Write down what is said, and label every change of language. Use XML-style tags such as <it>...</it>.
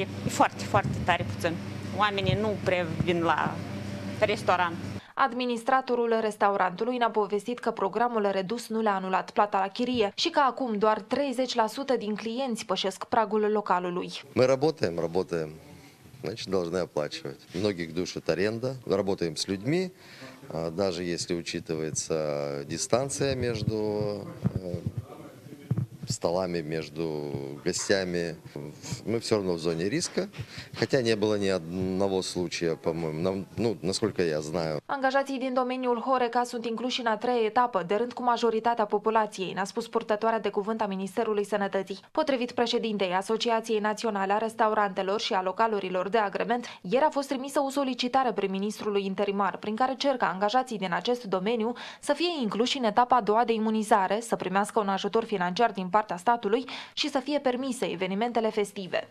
<ro>E foarte, foarte tare puțin. Oamenii nu previn la restaurant. Administratorul restaurantului ne-a povestit că programul redus nu le-a anulat plata la chirie și că acum doar 30% din clienți pășesc pragul localului.</ro> <ru>Мы работаем, работаем. Значит, должны оплачивать. Многих душит аренда. Работаем с людьми, даже если учитывается дистанция между столами, между гостями. Мы все равно в зоне риска, хотя не было ни одного случая, по-моему, насколько я знаю.</ru> <ro>Angajații din domeniul Horeca sunt incluși în a treia etapă, de rând cu majoritatea populației, ne-a spus purtătoarea de cuvânt a Ministerului Sănătății. Potrivit președintei Asociației Naționale a Restaurantelor și a Localurilor de Agrement, ieri a fost trimisă o solicitare prin ministrului interimar, prin care cer ca angajații din acest domeniu să fie incluși în etapa a doua de imunizare, să primească un ajutor financiar din partea statului și să fie permise evenimentele festive.</ro>